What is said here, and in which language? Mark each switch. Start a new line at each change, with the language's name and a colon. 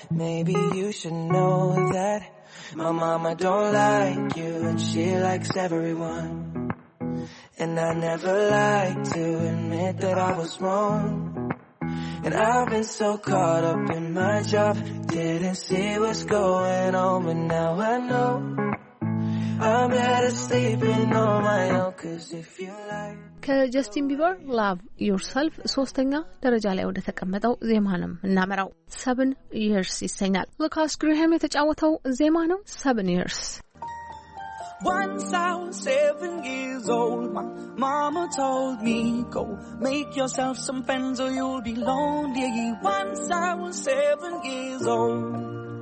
English: Maybe you should know that my mama don't like you, and she likes everyone. And I never liked to admit that I was wrong. And I've been so caught up in my job, didn't see what's going on, but now I know.
Amharic: ከጀስቲን ቢበር ላቭ ዩርሰልፍ ሶስተኛ ደረጃ ላይ ወደ ተቀመጠው ዜማ ነው እናመራው። 7 years ይሰኛል። ሉካስ ግራሃም የተጫወተው ዜማ ነው 7 years.
English: Once I was 7 years years old, my mama told me, go make yourself some friends or you'll be lonely. Once I was 7 years old.